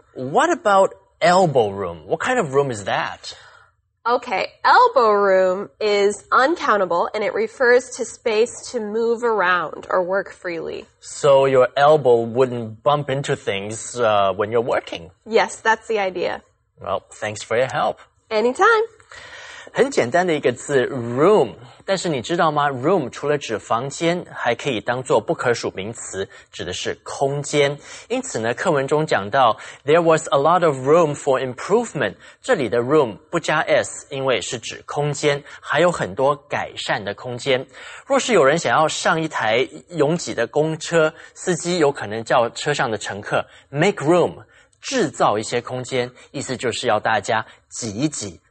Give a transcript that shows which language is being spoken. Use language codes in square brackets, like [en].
[en] What about elbow room? What kind of room is that? Okay, elbow room is uncountable, and it refers to space to move around or work freely. So your elbow wouldn't bump into things when you're working. Yes, that's the idea. Well, thanks for your help. Anytime. [zh] 很简单的一个字 room， 但是你知道吗 ？room 除了指房间，还可以当作不可数名词，指的是空间。因此呢，课文中讲到 [en] ，there was a lot of room for improvement。 [zh] 这里的 room 不加 s， 因为是指空间，还有很多改善的空间。若是有人想要上一台拥挤的公车，司机有可能叫车上的乘客 make room， 制造一些空间，意思就是要大家挤一挤。